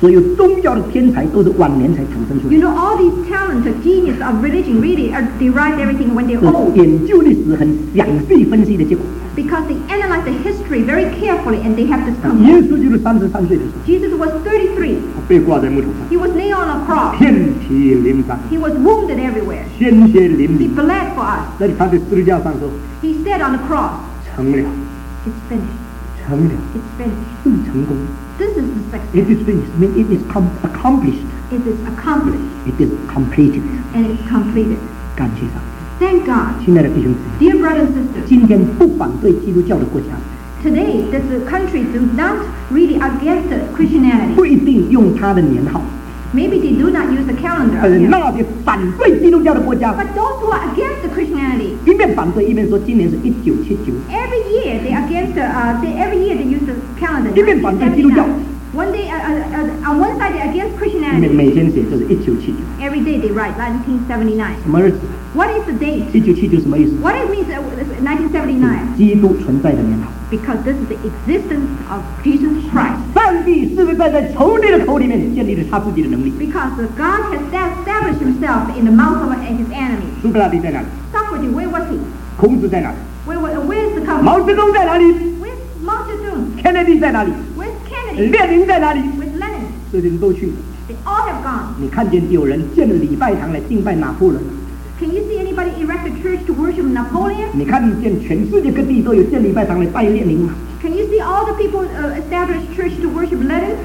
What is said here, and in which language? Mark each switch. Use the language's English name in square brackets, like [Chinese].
[Chinese] 所有宗教的天才都是晚年才产生出来, [English] you know, all these talented genius of religion really are derived everything when they're old. [Chinese] 研究历史很详细分析的结果, [English] because they analyze the history very carefully and they have this conclusion. [Chinese] 耶稣就是33岁的时候, [English] Jesus was 33, [Chinese] 被挂在木头上, [English] he was nailed on a cross, [Chinese] 遍体鳞伤, [English] he was wounded everywhere, [Chinese] 鲜血淋漓, [English] he bled for us. [Chinese] 在他的十字架上说, [English] he said on the cross, [Chinese] 成了, [English] it's finished, [Chinese] 成了, [English] it's finished, [Chinese] 这么成功, [English] this is the success. It is finished, mean it is accomplished, it is accomplished, it is completed, and it's completed. [Chinese] 感谢上帝, [English] thank God. [Chinese] 亲爱的弟兄姊妹, [English] dear brothers and sisters, [Chinese] 今天不反对基督教的国家, [English] today this country do not really against Christianity. [Chinese] 不一定用他的年号, [English] maybe they do not use the calendar. [Chinese] 那些反对基督教的国家, [English] but those who are against Christianity, [Chinese] 一面反对一面说今年是1979, [English] every year they against every year they use the calendar. [Chinese] 一面反对基督教, [English] one day, on one side they're against Christianity. [Chinese] 每天写就是1979, [English] every day they write 1979. [Chinese] 什么日子? [English] What is the date? [Chinese] 1979什么意思? [English] What it means 1979? [Chinese] 基督存在的年号。 [English] Because this is the existence of Jesus Christ. [Chinese] 上帝是在仇敌的口里面建立了他自己的能力。 [English] Because God has established himself in the mouth of his enemy. [Chinese] 苏格拉底在哪里? [English] Socrates, where was he? [Chinese] 孔子在哪里? [English] Where is the Congress? [Chinese] 毛泽东在哪里? [English] Where's Mao Zedong? [Chinese] Kennedy在哪里? [English] Where's Kennedy? [Chinese] 列宁在哪里? [English] Where's Lenin? [Chinese] 这些人都去, [English] they all have gone. [Chinese] 你看见有人建了礼拜堂来敬拜拿破仑, [English] can you see anybody erect a church to worship Napoleon? [Chinese] 你看见全世界各地都有建礼拜堂来拜列宁吗? [English] Can you see all the people establish church to worship Lenin?